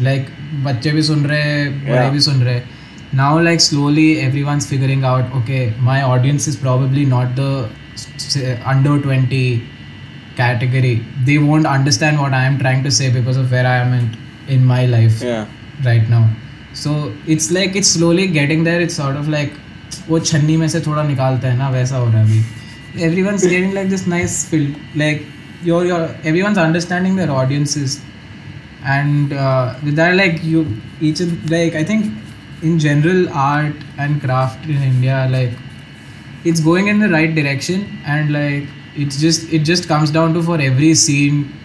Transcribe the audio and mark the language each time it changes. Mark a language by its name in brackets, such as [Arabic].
[English] Like, [Hindi] bachche bhi sun rahe, [English] bade bhi sun rahe. Now, like, slowly everyone's figuring out, okay, my audience is probably not the under 20 category. They won't understand what I am trying to say because of where I am in my life right now. So it's like, it's slowly getting there. It's sort of like, [Hindi] वो छन्नी में से थोड़ा निकालता है ना, वैसा हो रहा है अभी. [English] Everyone's getting like this nice feel, like your everyone's understanding their audiences, and with that, like, you each, like, I think in general art and craft in India, like, it's going in the right direction, and like it just comes down to, for every scene